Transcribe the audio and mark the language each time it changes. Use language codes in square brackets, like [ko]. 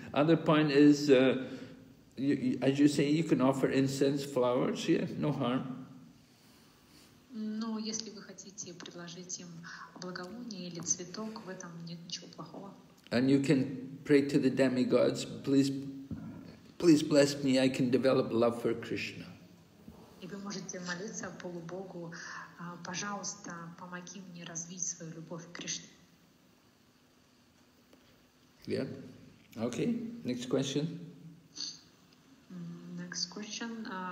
[en] Other point is as you say, you can offer incense, flowers, yeah, no harm. [ru] Но если вы хотите предложить им благовоние или цветок, в этом нет ничего плохого. [en] And you can pray to the demigods, please bless me, I can develop love for Krishna. [ru] вы можете молиться полубогу, пожалуйста, помоги мне развить свою любовь к Кришне. [en] Yeah. Okay. Next question. Next question.